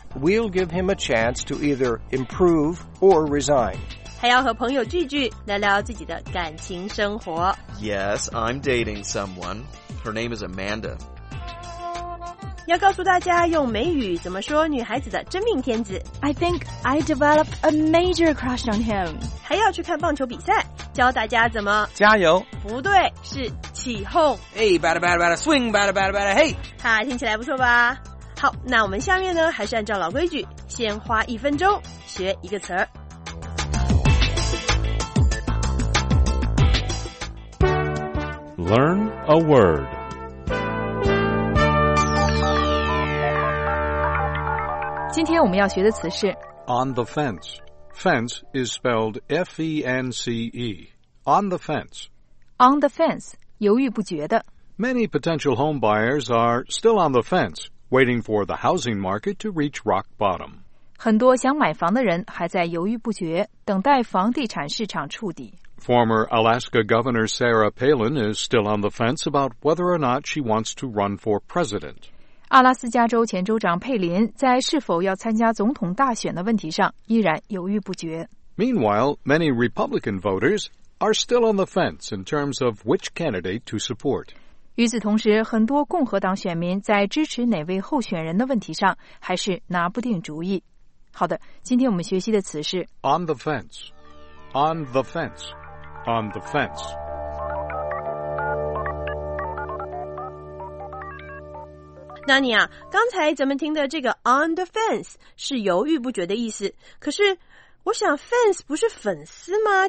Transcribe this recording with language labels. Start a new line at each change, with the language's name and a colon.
English: We'll give him a chance to either improve or resign.
Chinese: 还要和朋友聚聚，聊聊自己的感情生活。
English: Yes, I'm dating someone. Her name is Amanda.
Chinese: 要告诉大家用美语怎么说女孩子的真命天子。
English: I think I developed a major crush on him.
Chinese: 还要去看棒球比赛。教大家怎么加油？不对，是起哄。
English: Hey, bada bada bada, swing, bada bada bada, hey.
Chinese: 哈，听起来不错吧？好，那我们下面呢，还是按照老规矩，先花一分钟学一个词儿。
English: Learn a word. Today we're going to learn the word is on the fence. Fence is spelled F-E-N-C-E. On the fence. On the fence,
Chinese: 犹豫不决的。
English: Many potential home buyers are still on the fence, waiting for the housing market to reach rock bottom.
Chinese: 很多想买房的人还在犹豫不决，等待房地产市场触底。
English: Former Alaska Governor Sarah Palin is still on the fence about whether or not she wants to run for president.
Chinese: 阿拉斯加州前州长佩林在是否要参加总统大选的问题上依然犹豫不决。
English: Meanwhile, many Republican voters... are still on the fence in terms of which candidate to support.
Chinese: 与此同时，很多共和党选民在支持哪位候选人的问题上还是拿不定主意。好的，今天我们学习的词是
English: on the fence, on the fence, on the fence.
Chinese: 那你啊，刚才咱们听的这个
English: on the fence
Chinese: 是犹豫不决的意思，可是我想 fence 不是粉丝吗？